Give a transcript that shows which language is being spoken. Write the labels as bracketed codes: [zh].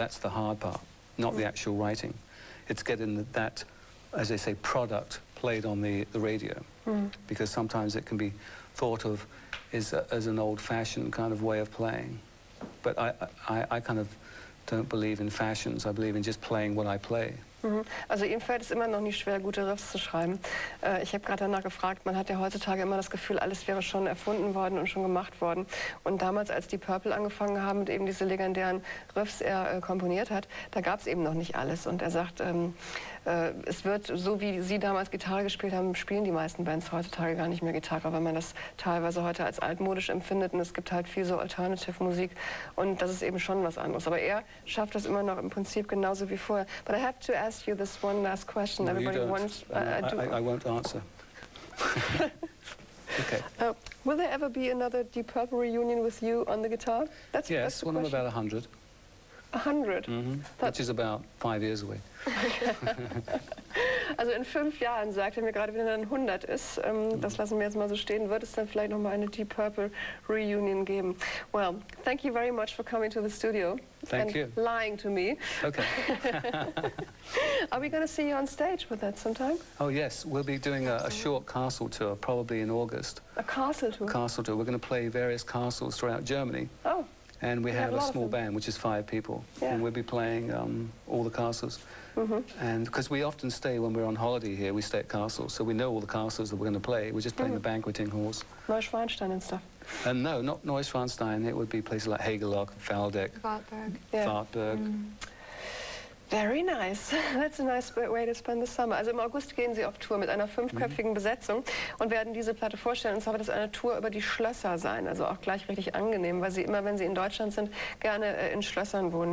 [en] That's the hard part, not the actual writing. It's getting that, as they say, product played on the radio, because sometimes it can be thought of as an old-fashioned kind of way of playing. But I kind of don't believe in fashions. I believe in just playing what I play. [de] Also ihm fällt es immer noch nicht schwer, gute Riffs zu schreiben. Ich habe gerade danach gefragt, man hat ja heutzutage immer das Gefühl, alles wäre schon erfunden worden und schon gemacht worden. Und damals, als die Purple angefangen haben und eben diese legendären Riffs er komponiert hat, da gab es eben noch nicht alles. Und er sagt, es wird so, wie sie damals Gitarre gespielt haben, spielen die meisten Bands heutzutage gar nicht mehr Gitarre, weil man das teilweise heute als altmodisch empfindet, und es gibt halt viel so Alternative-Musik, und das ist eben schon was anderes. Aber er schafft das immer noch im Prinzip genauso wie vorher. [en] But I have to ask you this one last question. No, everybody wants. I won't answer. Okay. Will there ever be another Deep Purple reunion with you on the guitar? Yes, that's one of about 100. 100? Mm-hmm. Which is about 5 years away. [de] Also in 5 Jahren, sagt er mir gerade, wenn er dann 100 ist, das lassen wir jetzt mal so stehen, wird es dann vielleicht nochmal eine Deep Purple Reunion geben. [en] Well, thank you very much for coming to the studio. Thank you. And lying to me. Okay. Are we going to see you on stage with that sometime? Oh yes, we'll be doing a short castle tour, probably in August. A castle tour? Castle tour. We're going to play various castles throughout Germany. Oh. And we have a small band, which is 5 people. Yeah. And we'll be playing all the castles. Mm-hmm. And because we often stay when we're on holiday here, we stay at castles. So we know all the castles that we're going to play. We're just playing the banqueting halls. Neuschwanstein and stuff. And no, not Neuschwanstein. It would be places like Hagelock, Waldeck, Wartburg. Very nice. That's a nice way to spend the summer. [de] Also im August gehen sie auf Tour mit einer 5-köpfigen Besetzung und werden diese Platte vorstellen. Und zwar wird es eine Tour über die Schlösser sein. Also auch gleich richtig angenehm, weil sie immer, wenn sie in Deutschland sind, gerne in Schlössern wohnen.